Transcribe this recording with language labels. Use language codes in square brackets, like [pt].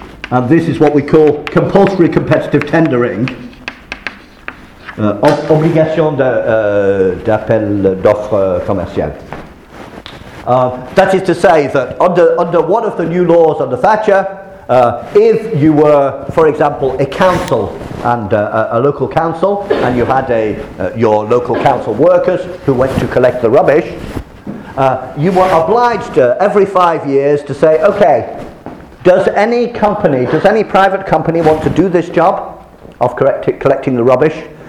[en] And this is what we call compulsory competitive tendering. [fr] Obligation d'appel d'offre commerciale. [en] That is to say that under one of the new laws under Thatcher, if you were, for example, a council and a local council, and you had your local council workers who went to collect the rubbish, you were obliged every 5 years to say, okay, does any private company want to do this job of collecting the rubbish?